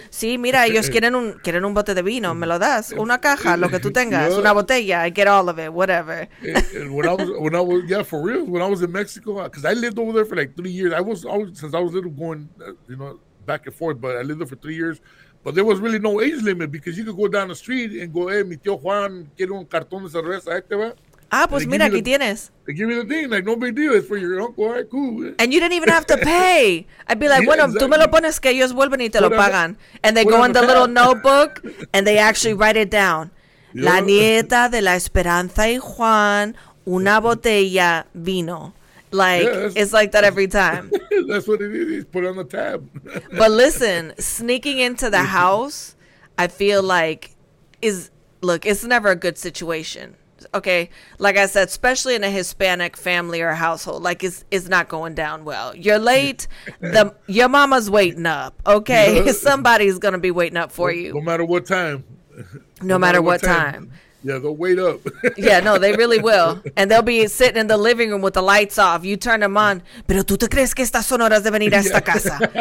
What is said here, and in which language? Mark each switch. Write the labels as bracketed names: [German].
[Spanish] Sí, mira, ellos quieren un bote de vino. ¿Me lo das? Una caja, lo que tú tengas. Una botella. [English] I get all of it. Whatever. When I was in Mexico, because I lived over there for like 3 years. I was always, since I was little, going, you know, back and forth, but I lived there for 3 years. But there was really no age limit because you could go down the street and go, hey, [Spanish] mi tío Juan, quiero un cartón de cerveza, ¿te va? Ah, pues mira, aquí tienes. [English] They give me the thing, like, no big deal, it's for your uncle, all right, cool. And you didn't even have to pay. I'd be like, yeah, [Spanish] bueno, [English] exactly. [Spanish] Tú me lo pones que ellos vuelven y te lo pagan. [English] And they go in the little notebook and they actually write it down. Yeah. [Spanish] La nieta de la Esperanza y Juan, una botella vino. [English] Like, yeah, it's like that every time. That's what it is. He's put on the tab. But listen, sneaking into the house, I feel like, it's never a good situation. Okay? Like I said, especially in a Hispanic family or household, like, it's not going down well. You're late. Your mama's waiting up. Okay? Yeah. Somebody's going to be waiting up for you. No matter what time. No matter what time. Yeah, they'll wait up. Yeah, no, they really will. And they'll be sitting in the living room with the lights off. You turn them on. [Spanish] Pero tú te crees que estas son horas de venir a esta casa?